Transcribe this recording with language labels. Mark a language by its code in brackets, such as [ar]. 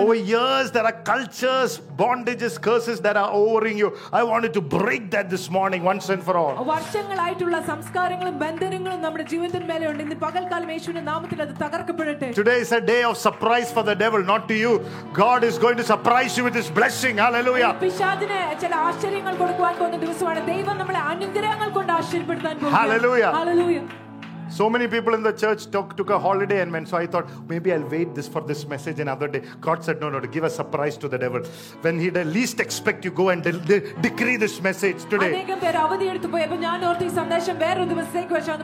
[en] Over years there are cultures, bondages, curses that are overing you. I wanted to break that this morning once and for all. [ml] വർഷങ്ങളായിട്ടുള്ള സംസ്കാരങ്ങളും ബന്ധനങ്ങളും നമ്മുടെ ജീവിതത്തിൽ മേലെയുണ്ട്. ഇന്ന് പകൽക്കാലം യേശുവിന്റെ നാമത്തിൽ അത് തകർക്കപ്പെടട്ടെ. [en] Today is a day of surprise for the devil, not to you. God is going to surprise you with his blessing. Hallelujah. [ml] പിശാചിനെ ചില ആശ്ചര്യങ്ങൾ കൊടുക്കുവാൻ പോകുന്ന ദിവസമാണ്. ദൈവം നമ്മളെ അനുഗ്രഹങ്ങൾ കൊണ്ട് ആശീർവദിക്കാൻ പോകുന്നു. [en] Hallelujah. Hallelujah. So many people in the church took a holiday and went, so I thought maybe I'll wait this for this message another day. God said no, give a surprise to the devil. When he least expect you, go and decree this message today. [ml] അനേകം പേർ അവധി എടുത്തു പോയി. അപ്പോൾ ഞാൻ ഓർത്തു, ഈ സന്ദേശം വേറെ ഒരു ദിവസത്തേക്ക് വെച്ചാണ്.